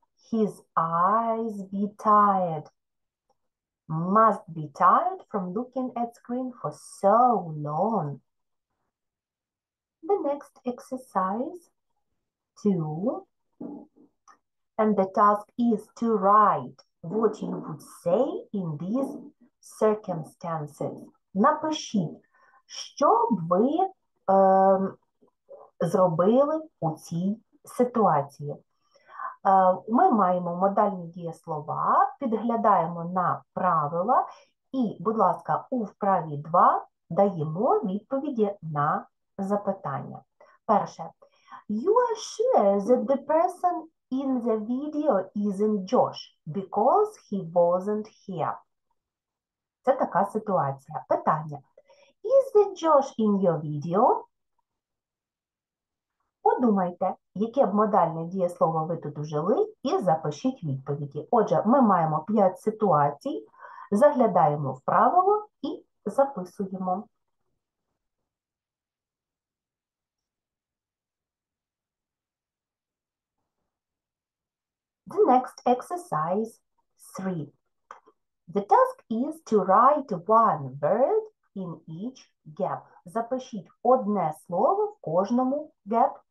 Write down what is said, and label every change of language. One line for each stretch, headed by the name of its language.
English: His eyes be tired. Must be tired from looking at screen for so long. The next exercise, 2. And the task is to write what you would say in these circumstances.
Ukrainian: Напиши, що б ви зробили у цій ситуації. Ми маємо модальні дієслова, підглядаємо на правила і, будь ласка, у вправі 2 даємо відповіді на запитання. Перше.
English: You are sure that the person in the video isn't Josh because he wasn't here.
Ukrainian: Це така ситуація. Питання.
English: Is the Josh in your video?
Ukrainian: Подумайте, яке б модальне дієслово ви тут ужили, і запишіть відповіді. Отже, ми маємо 5 ситуацій, заглядаємо в правило і записуємо.
English: The next exercise 3. The task is to write one word in each gap.
Ukrainian: Запишіть одне слово в кожному gap.